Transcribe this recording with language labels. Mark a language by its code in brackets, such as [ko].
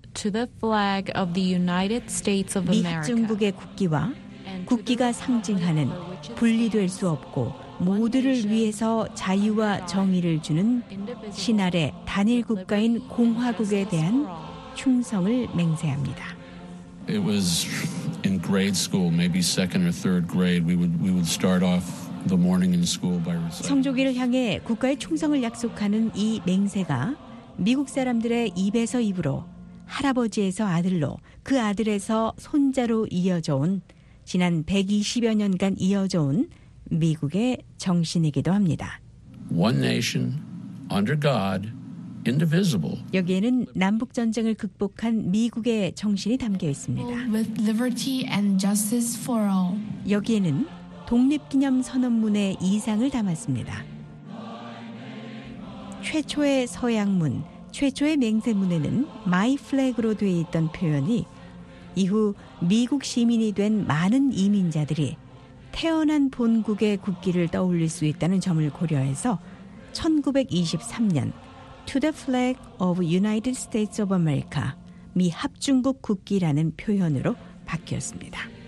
[en] To the flag of the United States of America. [ko] 미국 정부의 국기와 국기가 상징하는 분리될 수 없고 모두를 위해서 자유와 정의를 주는 신아래 단일 국가인 공화국에 대한 충성을 맹세합니다. [en] It was in grade school, maybe second or third grade. We would start off the morning in school by reciting. [ko] 성조기를 향해 국가의 충성을 약속하는 이 맹세가 미국 사람들의 입에서 입으로 할아버지에서 아들로 그 아들에서 손자로 이어져 온 지난 120여 년간 이어져 온 미국의 정신이기도 합니다. [en] One nation under God, indivisible. [ko] 여기에는 남북 전쟁을 극복한 미국의 정신이 담겨 있습니다. [en] With liberty and justice for all. [ko] 여기에는 독립 기념 선언문의 이상을 담았습니다. 최초의 서양문, 최초의 맹세문에는 My flag으로 되어 있던 표현이 이후 미국 시민이 된 많은 이민자들이 태어난 본국의 국기를 떠올릴 수 있다는 점을 고려해서 1923년 [en] To the flag of United States of America, [ko] 미 합중국 국기라는 표현으로 바뀌었습니다.